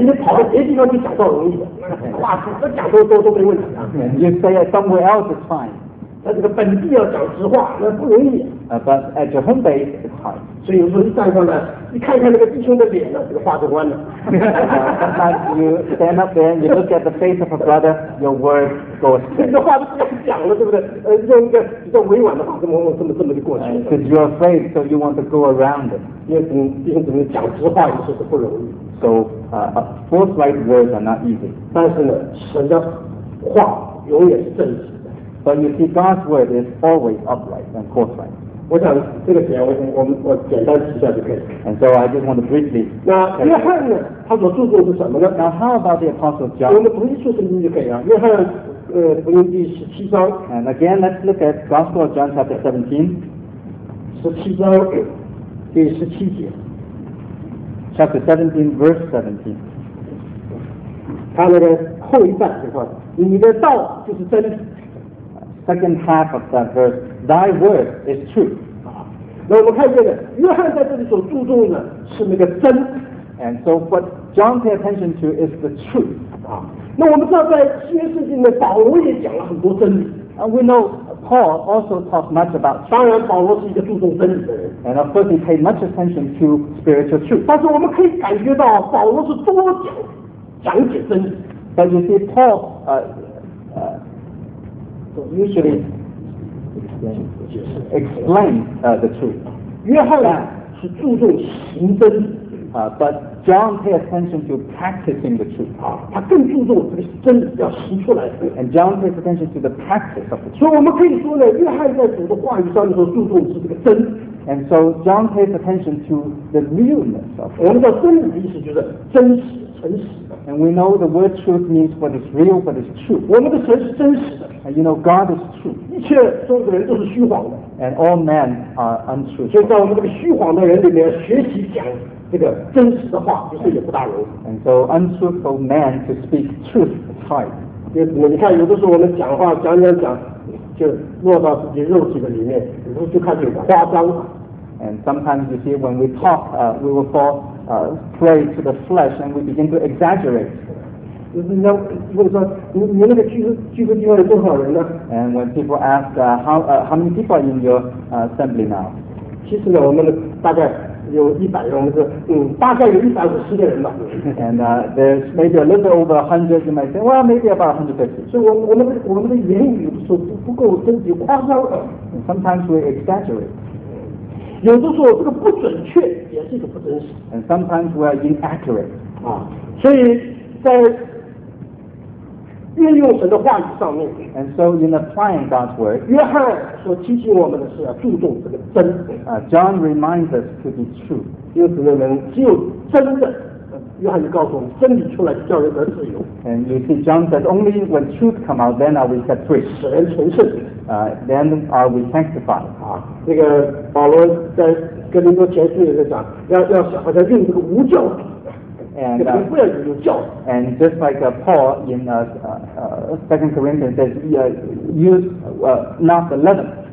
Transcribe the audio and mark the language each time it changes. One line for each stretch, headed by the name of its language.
Chinese: 你跑到别的地方去讲倒容易的，话怎么讲都没问题啊。
English: You say somewhere else is fine.
Chinese: 在这个本地要讲实话，那不容易。
English: But at your home base, it's hard.
Chinese: 所以有时候一站上来，一看看那个弟兄的脸呢，这个话就弯了。
English: Sometimes you stand up there, you look at the face of a brother, your words go straight.
Chinese: 这话都不敢讲了，对不对？用一个比较委婉的话，这么的过去。
English: Because you're afraid, so you want to go around it.
Chinese: 因为弟兄姊妹讲实话有时候是不容易。
English: So, forthright words are not easy.
Chinese: 但是呢，神的话永远是正直的。
English: But you see, God's word is always upright and forthright.
Chinese: 我想这个点我简单提一下就可以了。
English: And so I just want to briefly.
Chinese: 那约翰呢？他所注重是什么呢
English: ？Now, how about the Apostle John?
Chinese: 我们读一处圣经就可以了。约翰，福音第十七章。
English: And again, let's look at Gospel of John, chapter 17.
Chinese: 十七章第十七节。
English: Chapter 17, verse 17.
Chinese: 他那个后一半的话，你的道就是真。
English: Second half of that verse, thy word is true.
Chinese: 那我们看这个，约翰在这里所注重的是那个真。
English: And so what John pay attention to is the truth.
Chinese: 那我们知道在新约圣经里面，保罗也讲了很多真理。
English: And we know Paul also talks much about truth.
Chinese: 当然保罗是一个注重真理的人。
English: And of course he paid much attention to spiritual truth.
Chinese: 但是我们可以感觉到保罗是多讲解真理。
English: But you see, Paul, usually explain, the truth.
Chinese: 约翰呢是注重行真理。
English: But John pay attention to practicing the truth.
Chinese: 他更注重这个真理要行出来。
English: And John pays attention to the practice of the truth.
Chinese: 所以我们可以说呢，约翰在主的话语上所注重是这个真。
English: And so John pays attention to the realness of it.
Chinese: 我们叫真理的意思就是真实、诚实。
English: And we know the word truth means what is real, what is true.
Chinese: 我们的神是真实的。
English: And you know God is true.
Chinese: 一切所有的人都是虚谎的。
English: And all men are untrue.
Chinese: 所以在我们这个虚谎的人里面学习讲。这个真实的话其实也不大容易。
English: And so untruthful man to speak truth is hard.
Chinese: 你看有的时候我们讲话讲讲讲就落到自己肉体的里面，你不就看见夸张吗？
English: And sometimes you see when we talk, we will fall prey to the flesh and we begin to exaggerate.
Chinese: 就是那问说你那个聚会地方有多少人呢？
English: And when people ask how many people are in your assembly now?
Chinese: 其实呢，我们大概有一百人，我们是大概有150个人吧。
English: And there's maybe a little over 100. You might say, well, maybe about 150.
Chinese: 所以我们的言语说不够真实，夸张。
English: And sometimes we exaggerate.
Chinese: 有的时候这个不准确也是一个不真实。
English: And sometimes we are inaccurate.
Chinese: 所以在运用神的话语上面。
English: And so in applying God's word,
Chinese: 约翰所提醒我们的是要注重这个真。
English: John reminds us to be true.
Chinese: 因此呢，只有真的，约翰就告诉我们，真理出来就叫人得自由。
English: And you see, John said, only when truth come out, then are we set free.
Chinese: 使人成圣。
English: Then are we sanctified.
Chinese: 这个保罗在哥林多前书也在讲，要好像认这个无教。
English: And just like Paul in 2 Corinthians says, use not the leaven.